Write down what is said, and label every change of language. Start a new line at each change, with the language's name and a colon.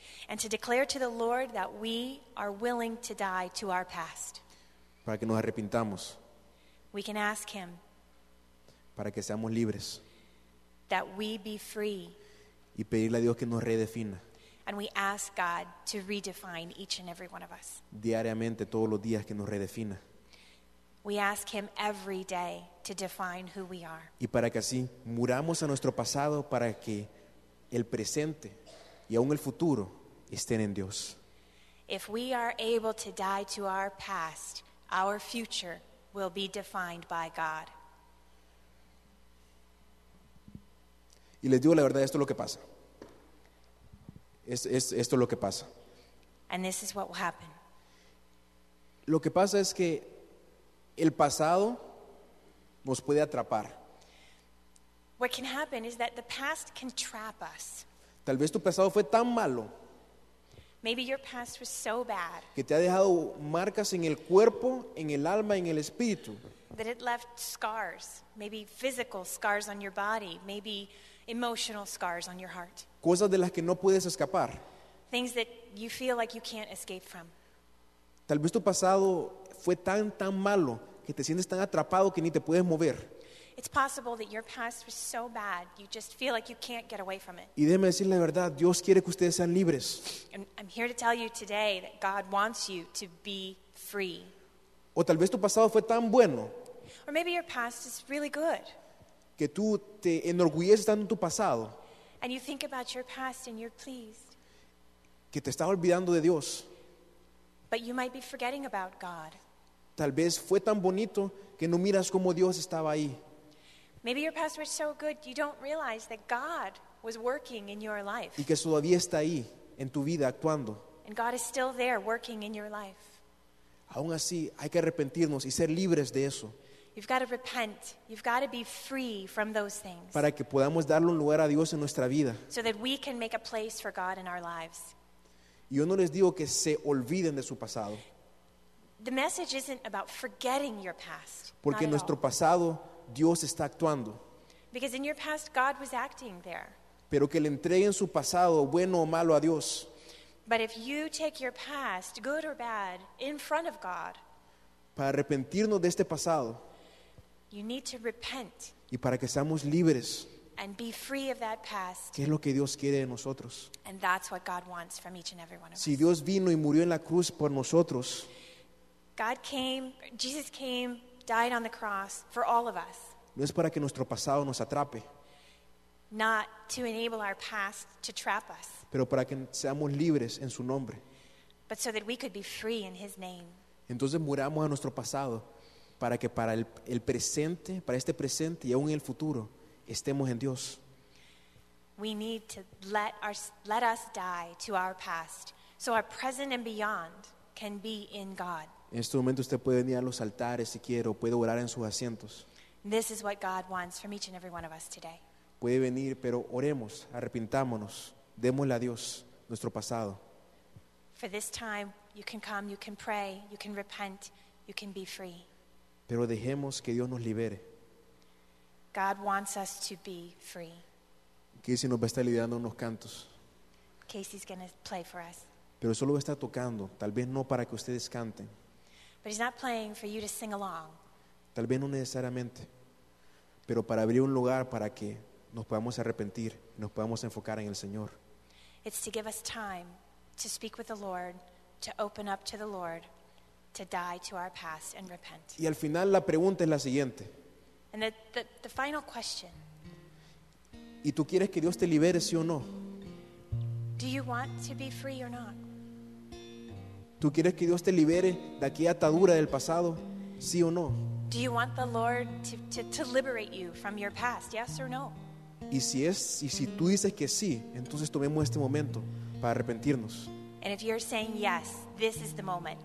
English: And to declare to the Lord that we are willing to die to our past.
Spanish: Para que nos arrepintamos.
English: We can ask him.
Spanish: Para que seamos libres.
English: That we be free.
Spanish: Y pedirle a Dios que nos redefina.
English: And we ask God to redefine each and every one of us.
Spanish: Diariamente, todos los días, que nos redefina.
English: We ask him every day to define who we are.
Spanish: Y para que así muramos a nuestro pasado, para que el presente y aún el futuro estén en Dios.
English: If we are able to die to our past, our future will be defined by God.
Spanish: Y les digo la verdad, esto es lo que pasa. Esto es lo que pasa.
English: And this is what will happen.
Spanish: Lo que pasa es que el pasado nos puede atrapar.
English: What can happen is that the past can trap us.
Spanish: Tal vez tu pasado fue tan malo.
English: Maybe your past was so bad.
Spanish: Que te ha dejado marcas en el cuerpo, en el alma, en el espíritu.
English: That it left scars, maybe physical scars on your body, maybe emotional scars on your heart.
Spanish: Cosas de las que no puedes escapar.
English: Things that you feel like you can't escape from.
Spanish: Tal vez tu pasado fue tan malo que te sientes tan atrapado que ni te puedes mover.
English: It's possible that your past was so bad you just feel like you can't get away from it.
Spanish: Y déjeme decir la verdad, Dios quiere que ustedes sean libres.
English: And I'm here to tell you today that God wants you to be free.
Spanish: O tal vez tu pasado fue tan bueno.
English: Or maybe your past is really good.
Spanish: Que tú te enorgulleces tanto en tu pasado.
English: And you think about your past and you're pleased.
Spanish: Que te estás olvidando de Dios.
English: But you might be forgetting about God.
Spanish: Tal vez fue tan bonito que no miras cómo Dios estaba ahí.
English: Maybe your past was so good you don't realize that God was working in your life.
Spanish: Y que todavía está ahí en tu vida actuando.
English: And God is still there working in your life.
Spanish: Aún así, hay que arrepentirnos y ser libres de eso.
English: You've got to repent. You've got to be free from those things.
Spanish: Para que podamos darle un lugar a Dios en nuestra vida.
English: So that we can make a place for God in our lives.
Spanish: Y yo no les digo que se olviden de su pasado.
English: The message isn't about forgetting your past.
Spanish: Porque nuestro pasado, Dios está actuando.
English: Because in your past, God was acting there.
Spanish: Pero que le entreguen su pasado, bueno o malo, a Dios.
English: But if you take your past, good or bad, in front of God,
Spanish: para arrepentirnos de este pasado,
English: you need to repent.
Spanish: Y para que seamos libres,
English: and be free of that past.
Spanish: ¿Qué es lo que Dios quiere de nosotros?
English: And that's what God wants from each and every one of us.
Spanish: Si Dios vino y murió en la cruz por nosotros,
English: God came, Jesus came, died on the cross for all of us.
Spanish: No es para que nuestro pasado nos atrape.
English: Not to enable our past to trap us.
Spanish: Pero para que seamos libres en su nombre.
English: But so that we could be free in his name.
Spanish: Entonces muramos a nuestro pasado para que para el presente, para este presente y aún el futuro, estemos en Dios.
English: We need to let us die to our past so our present and beyond can be in God.
Spanish: En este momento usted puede venir a los altares si quiere o puede orar en sus asientos.
English: This is what God wants from each and every one of us today.
Spanish: Puede venir, pero oremos, arrepintámonos, démosle a Dios nuestro pasado.
English: For this time, you can come, you can pray, you can repent, you can be free.
Spanish: Pero dejemos que Dios nos libere.
English: God wants us to be free.
Spanish: Casey nos va a estar liderando unos cantos.
English: Casey's going to play for us.
Spanish: Pero solo va a estar tocando, tal vez no para que ustedes canten.
English: But he's not playing for you to sing along.
Spanish: Tal vez no necesariamente, pero para abrir un lugar para que nos podamos arrepentir, nos podamos enfocar en el Señor.
English: It's to give us time to speak with the Lord, to open up to the Lord, to die to our past and repent.
Spanish: Y al final la pregunta es la siguiente.
English: And the final question.
Spanish: ¿Y tú quieres que Dios te libere, sí o no?
English: Do you want to be free or not?
Spanish: ¿Tú quieres que Dios te libere de aquella atadura del pasado, sí o no?
English: Do you want the Lord to liberate you from your past, yes or no?
Spanish: Y si tú dices que sí, entonces tomemos este momento para arrepentirnos.
English: And if you're saying yes, this is the moment.